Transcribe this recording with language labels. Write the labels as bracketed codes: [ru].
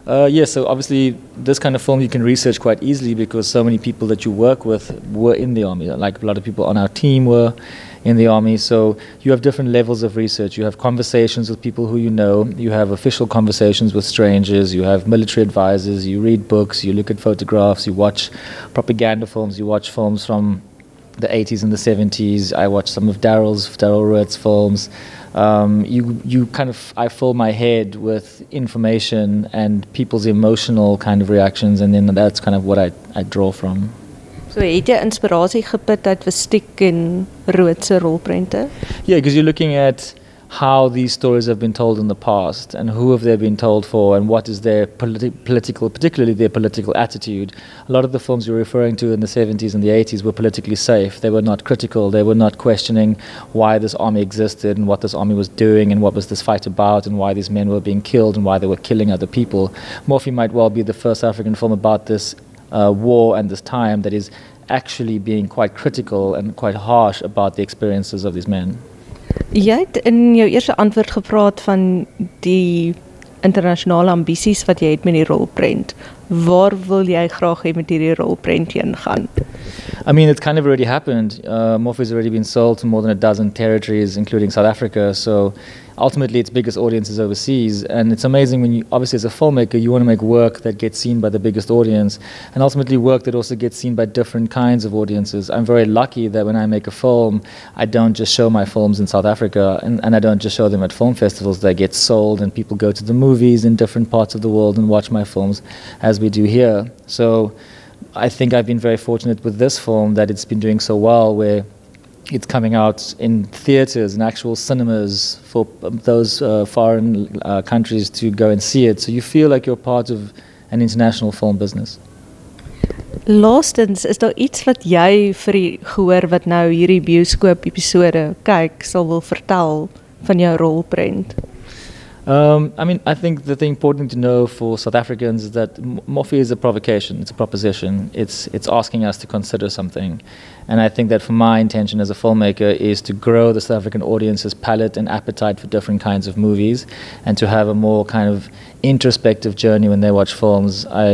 [en] Yes, so obviously this kind of film you can research quite easily because so many people that you work with were in the army. Like a lot of people on our team were in the army. So you have different levels of research. You have conversations with people who you know. You have official conversations with strangers. You have military advisors. You read books. You look at photographs. You watch propaganda films. You watch films from the 80s and the 70s. I watch some of Daryl Roert's films. I fill my head with information and people's emotional kind of reactions, and then that's kind of what I draw from. [af] So het jy inspirasie geput uit Westiek en Roert se rolprente? [en] Yeah, because you're looking at how these stories have been told in the past and who have they been told for and what is their political, particularly their political attitude. A lot of the films you're referring to in the 70s and the 80s were politically safe. They were not critical. They were not questioning why this army existed and what this army was doing and what was this fight about and why these men were being killed and why they were killing other people. Morphe might well be the first African film about this war and this time that is actually being quite critical and quite harsh about the experiences of these men. [af] Jy het in jou eerste antwoord gepraat van die internasionale ambities wat jy het met die rolprent. Waar wil jy graag hê met hierdie rolprent heen gaan? [en] I mean, it's kind of already happened. Morphe has already been sold to more than a dozen territories, including South Africa. So ultimately, its biggest audience is overseas. And it's amazing when you, obviously, as a filmmaker, you want to make work that gets seen by the biggest audience. And ultimately, work that also gets seen by different kinds of audiences. I'm very lucky that when I make a film, I don't just show my films in South Africa. And I don't just show them at film festivals. They get sold and people go to the movies in different parts of the world and watch my films, as we do here. So I think I've been very fortunate with this film that it's been doing so well, where it's coming out in theaters and actual cinemas for those foreign countries to go and see it. So you feel like you're part of an international film business. [af] Laastens, is daar iets wat jy vir die gehoor wat nou hierdie bioscoop episode kyk sal wil vertel van jou rolprent? [en] I mean, I think the thing important to know for South Africans is that Morphe is a provocation, it's a proposition, it's asking us to consider something. And I think that for my intention as a filmmaker is to grow the South African audience's palate and appetite for different kinds of movies and to have a more kind of introspective journey when they watch films.